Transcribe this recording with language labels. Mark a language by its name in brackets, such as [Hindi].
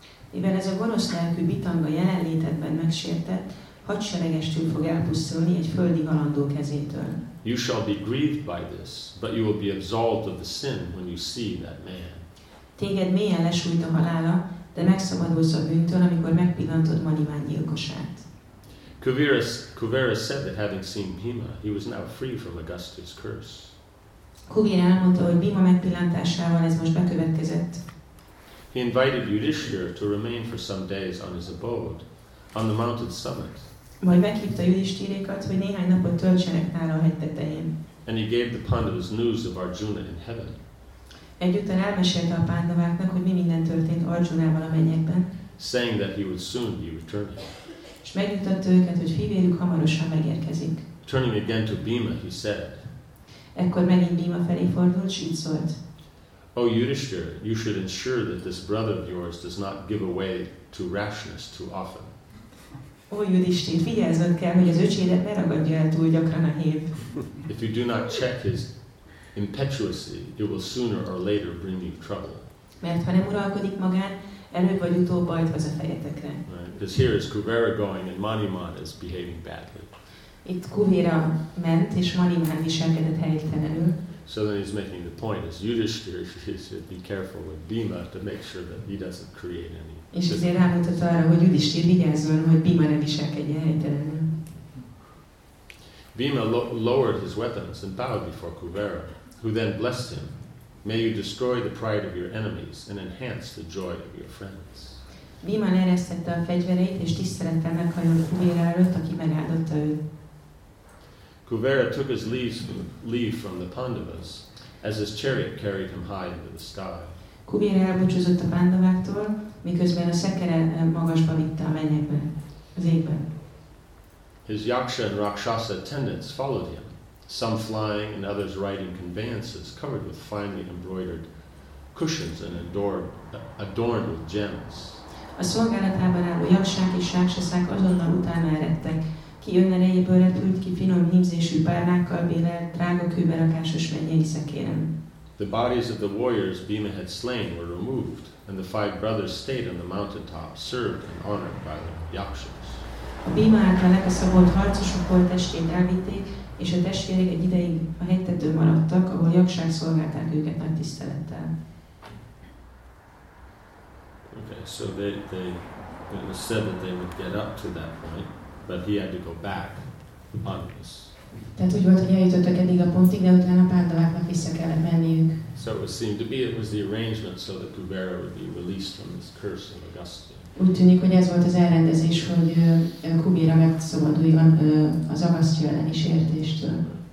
[Hungarian] Mivel ez a gonosz lelkű bitanga jelenlétedben megsértett, hadseregestül fog elpusztulni egy földi halandó kezétől. [English] You shall be grieved by this, but you will be absolved of the sin when you see that man. [Hungarian] Téged mélyen lesújt a halála, de megszabadulsz a bűntől, amikor megpillantod Manimán gyilkosát. [English] Kuvera said that having seen Bhima, he was now free from Agastya's curse. [Hungarian] Kuvera elmondta, hogy Bhima megpillantásával ez most bekövetkezett. [English] He invited Yudhishthira to remain for some days on his abode, on the mountain summit. [Hungarian] Majd meghívta Yudhishthirékat, hogy néhány napot töltsenek nála a hegytetején. [English] And he gave the Pandavas news of Arjuna in heaven. [Hungarian] Egyúttal elmesélte a Pandaváknak, hogy mi minden történt Arjunával a mennyekben. [English] Saying that he would soon be returning. [Hungarian] És megnyugtatta őket, hogy fivérük hamarosan megérkezik. [English] Turning again to Bhima, he said. [Hungarian] Ekkor megint Bhima felé fordult, s így szólt. [English] O Yudhishthira, you should ensure that this brother of yours does not give away to rashness too often. [Hungarian] O Yudhishthira, vigyázzon kell, hogy az öcsédet ne ragadja el túl gyakran a hív. [English] If you do not check his impetuosity, it will sooner or later bring you trouble. [Hungarian] Mert ha nem uralkodik magán, előbb vagy utóbb bajt vesz a fejetekre. [English] Because here is Kuvera going and Maniman is behaving badly. [Hungarian] Itt Kuvera ment, és Maniman viselkedett helytelenül. [English] So then he's making the point, as Yudhishthira, he should be careful with Bhima to make sure that he doesn't create any. [Hungarian] És ezért rámutat arra, hogy Yudhishthira vigyázzon, hogy Bhima ne viselkedjen helytelenül. [English] Bhima lowered his weapons and bowed before Kuvera, who then blessed him. May you destroy the pride of your enemies and enhance the joy of your friends. [Hungarian] Bhima leresztette a fegyvereit, és tisztelettel meghajolt Kuvera előtt, aki megáldotta őt. [English] Kuvera took his leave from the Pandavas as his chariot carried him high into the sky. [Hungarian] Kuvera elbúcsúzott a Pandaváktól, miközben a szekere magasba vitte a mennyekbe, az égbe. [English] His yaksha and rakshasa attendants followed him, some flying and others riding conveyances covered with finely embroidered cushions and adorned with gems. [Hungarian] A szolgálatában álló jaksák és rakshasák azonnal utána eredtek, ki önerejéből repült ki finom hímzésű párnákkal bélelt drága kőben rakásos mennyei szekéren. [English] The bodies of the warriors Bhima had slain were removed, and the five brothers stayed on the mountaintop, served and honored by the yakshas. [Hungarian] A Bhima által lekaszabolt harcosok holttestét elvitték, és a testvérek egy ideig a hegytetőn maradtak, ahol jaksák szolgálták őket nagy tisztelettel. [English] Okay, so they it was said that they would get up to that point, but he had to go back on this. [Hungarian] Tehát úgy volt, hogy eljutottak eddig a pontig, de utána Pándaváknak vissza kellett menniük. [English] So it seemed to be it was the arrangement so that Kuvera would be released from this curse of Agastya. [Hungarian] Úgy tűnik, hogy ez volt az elrendezés, hogy Kuvera megszabaduljon az Agastya elleni sértéstől.